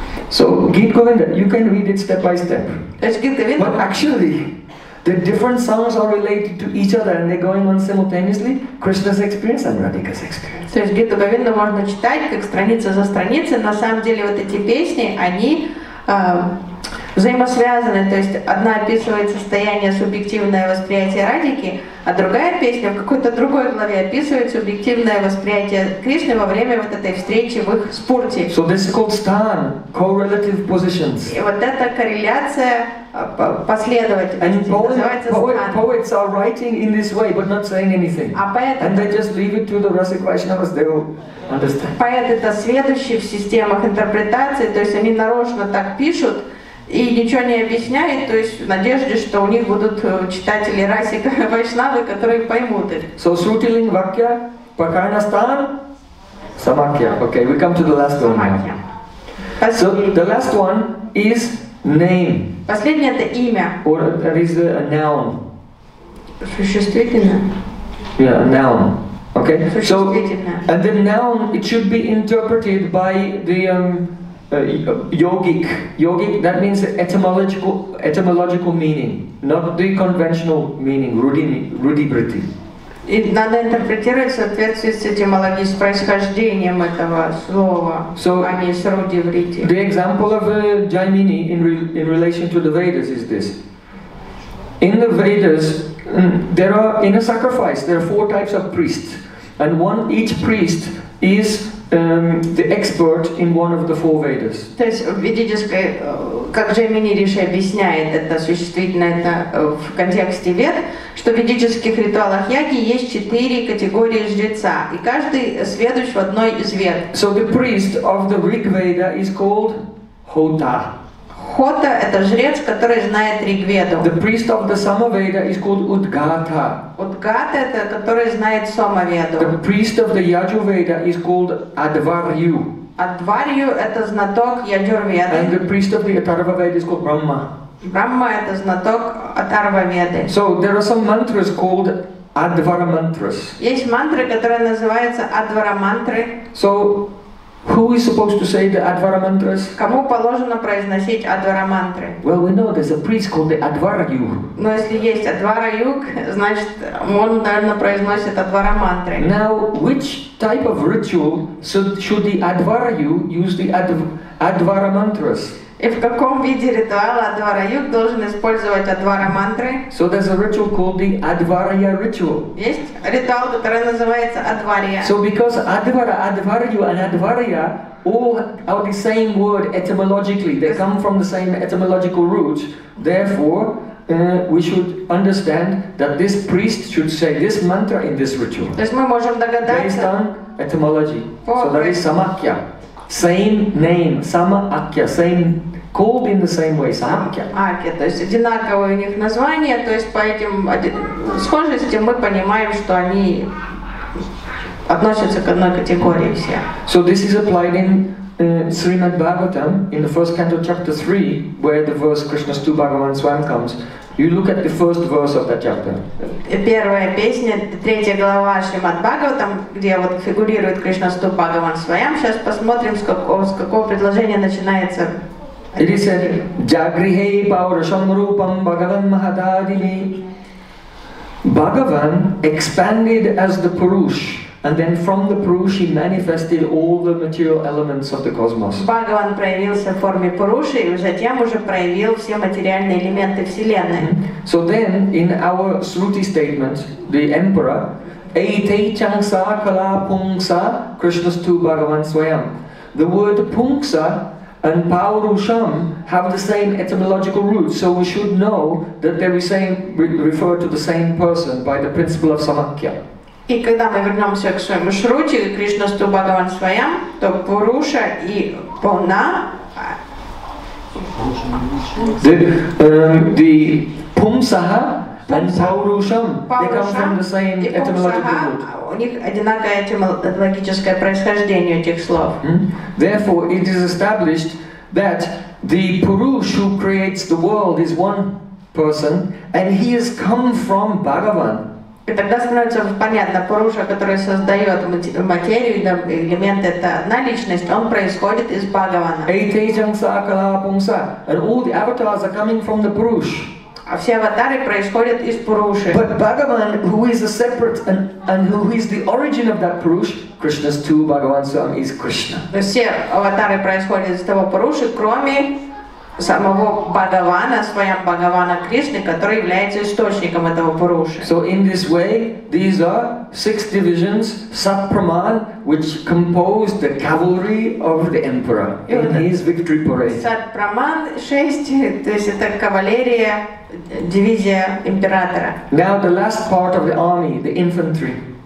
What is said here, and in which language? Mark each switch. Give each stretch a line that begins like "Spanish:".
English: So Gita Govinda, you can read it step by step. It's Gita Govinda. But actually, the different songs are related to each other and they're going on simultaneously. Krishna's experience and Radhika's experience.
Russian: То есть Гиту Говинду можно читать как страница за страницей. На самом деле вот эти песни, они взаимосвязаны. То есть одна описывает состояние субъективное восприятие Радхики, а другая песня в какой-то другой главе описывает субъективное восприятие Кришны во время вот этой встречи в их спурте.
English: So this is called sthan, correlative positions.
Russian: И вот эта корреляция
English: Poets are writing in this way, but not saying anything. And they just leave it to the Rasik Vaishnavas, they will understand.
Russian: Поэты это сведущие в системах интерпретации, то есть они нарочно так пишут и ничего не объясняют, то есть в надежде, что у них будут читатели Расик Вайшнавы, которые поймут их.
English: So Shruti Ling Vakya, Pakana Stan, Samakya. Okay, we come to the last one now. So the last one is name.
Russian: Последнее это имя.
English: Or that is a noun.
Russian: Существительное.
English: Yeah, a noun. Okay.
Russian: Существительное.
English: So, and the noun it should be interpreted by the Yogic. Yogic, that means etymological meaning, not the conventional meaning, rudibriti.
Russian: И надо интерпретировать в соответствии с этимологическим происхождением этого слова, so, а не с руди врити.
English: The example of Jaimini in relation to the Vedas is this. In the Vedas, there are in a sacrifice there are four types of priests, and one each priest is the expert in one of the four Vedas.
Russian: То есть ведическое, как Джаймини Риши объясняет это существительное это в контексте Вед, что в ведических ритуалах яги есть четыре категории жреца, и каждый сведущ в одной из Вед.
English: So the priest of the Rig Veda is called Hota.
Russian: Хота – это жрец, который знает Ригведу.
English: The priest of the Samaveda is called Udgata.
Russian: Удгата – это который знает Самаведу.
English: The priest of the Yajurveda is called Advaryu.
Russian: Advaryu – это знаток Яджурведы.
English: And the priest of the Атарваведа is called Брахма.
Russian: Брахма – это знаток Атарваведы.
English: So there are some mantras called Advara mantras.
Russian: Есть мантры, которые называются Advara mantras.
English: So who is supposed to say the Advara mantras?
Russian: Кому положено произносить Advara mantras?
English: Well, we know there's a priest called the Advara yug.
Russian: Но если есть Advara yug, значит, он, наверное, произносит Advara mantras.
English: Now, which type of ritual should the Advara yug use the Advara mantras?
Russian: И в каком виде ритуала Advara yug должен использовать Advara mantras?
English: So there's a ritual called the Advarya ritual.
Russian: Есть ритуал, который называется Advarya.
English: So because Advara, Advaryu and Advarya all are the same word etymologically. They come from the same etymological root. Therefore, we should understand that this priest should say this mantra in this ritual.
Russian: То есть мы можем догадаться.
English: Based on etymology. So there is Samakya. Same name, Samakya, same, called in the same way, Samakya.
Russian: Akya, то есть одинаковое у них название, то есть по этим схожестям мы понимаем, что они относятся к одной категории все.
English: So this is applied in Srimad Bhagavatam, in the first canto, chapter 3, where the verse
Sanskrit: Krishna Stu Bhagavan Swam
English: comes. You look at the first verse of that chapter.
Russian: Первая песня, третья глава Шримад Бхагаватам, где вот фигурирует
Sanskrit: Кришна Ступ Бхагаван Своям.
Russian: Сейчас посмотрим, с какого предложения начинается.
English: It is said,
Sanskrit: Jagrihei Paurasham Rupam Bhagavan Mahadadini.
English: Bhagavan expanded as the Purush. And then from the Purush, he manifested all the material elements of the cosmos.
Russian: Бхагаван проявился в форме Пуруши, и затем уже проявил все материальные элементы Вселенной.
English: So then, in our Sruti statement, the emperor,
Sanskrit: Eite Changsa Kala Pungsa Krishnastu Bhagavan Swayam.
English: The word Pungsa and Paurusham have the same etymological root, so we should know that they refer to the same person by the principle of Samakya.
Russian: И когда мы вернемся к своему шрути,
Sanskrit: Кришна Сту Бхагаван Своям,
Russian: то Пуруша и Пуна...
English: The Пумсаха and Паурушам, they come from the same etymological root.
Russian: У них одинаковое этимологическое происхождение этих слов.
English: Therefore, it is established that the Пуруш who creates the world is one person, and he has come from Бхагаван.
Russian: И тогда становится понятно, Пуруша, который создает материю, элемент – это одна личность, он происходит из Бхагавана.
Sanskrit: Эйте чангса кала пунгса.
English: And all the avatars are coming from the Purush.
Russian: А все аватары происходят из Пуруши.
English: But Bhagavan, who is a separate and who is the origin of that Purush,
Sanskrit: Krishna's two Bhagavan Swam
English: is Krishna.
Russian: Но все аватары происходят из того Пуруши, кроме самого Бхагавана, своем Бхагавана Кришны, который является источником этого Пуруши.
English: So in this way, these are six divisions, Сат-Праман, which compose the cavalry of the emperor in his victory parade.
Russian: Сат-Праман, шесть, то есть это кавалерия, дивизия императора.
English: Now the last part of the army, the infantry.